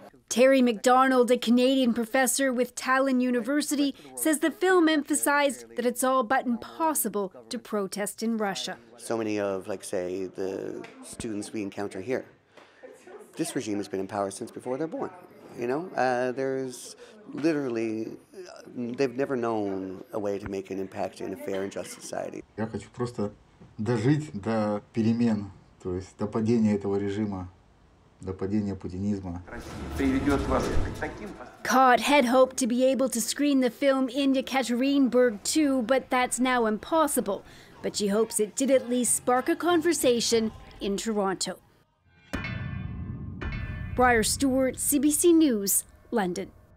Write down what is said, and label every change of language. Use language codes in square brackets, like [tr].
[en] Terry McDonald, a Canadian professor with Tallinn University, says the film emphasized that it's all but impossible to protest in Russia. So many of, like, say, the students we encounter here, this regime has been in power since before they're born. You know, there's literally, they've never known a way to make an impact in a fair and just society. [ru] Я хочу просто дожить до перемен, то есть до падения этого режима. [en] Caught had hoped to be able to screen the film in Yekaterinburg too, but that's now impossible. But she hopes it did at least spark a conversation in Toronto. Briar Stewart, CBC News, London.